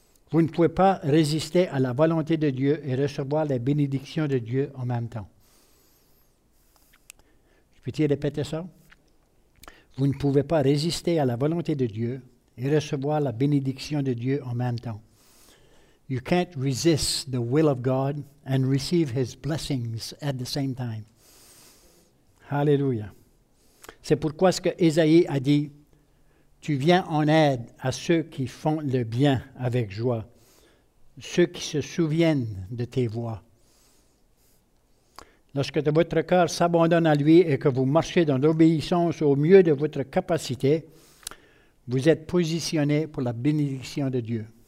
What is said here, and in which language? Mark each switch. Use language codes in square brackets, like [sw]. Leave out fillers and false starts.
[fr] Vous ne pouvez pas résister à la volonté de Dieu et recevoir les bénédictions de Dieu en même temps. Je peux-tu répéter ça? Vous ne pouvez pas résister à la volonté de Dieu et recevoir la bénédiction de Dieu en même temps. [en] You can't resist the will of God and receive His blessings at the same time. Hallelujah. [fr] C'est pourquoi ce que Ésaïe a dit, tu viens en aide à ceux qui font le bien avec joie, ceux qui se souviennent de tes voies. Lorsque votre cœur s'abandonne à lui et que vous marchez dans l'obéissance au mieux de votre capacité, vous êtes positionné pour la bénédiction de Dieu.